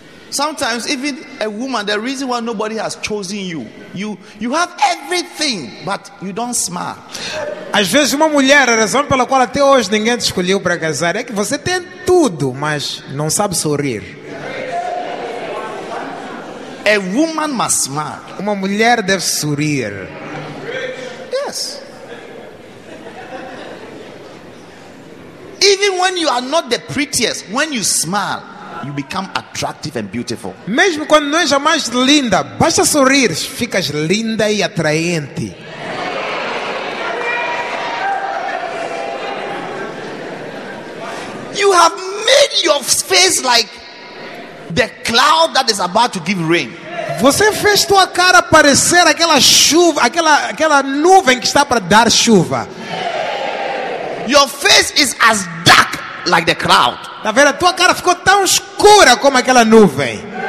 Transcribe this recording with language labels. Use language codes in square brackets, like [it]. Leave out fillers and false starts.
[en] Sometimes even a woman, the reason why nobody has chosen you, you have everything, but you don't smile. [pt] Às vezes uma mulher, a razão pela qual até hoje ninguém te escolheu para casar, é que você tem tudo, mas não sabe sorrir. [en] A woman must smile. [pt] Uma mulher deve sorrir. [en] Yes. Even when you are not the prettiest, when you smile, you become attractive and beautiful. [pt] Mesmo quando não és a mais linda, basta sorrir, ficas linda e atraente. [en] You have made your face like the cloud that is about to give rain. [pt] Você fez tua cara parecer aquela chuva, aquela nuvem que está para dar chuva. [en] Your face is as dark like the cloud. [pt] Na verdade, tua cara ficou tão escura como aquela nuvem.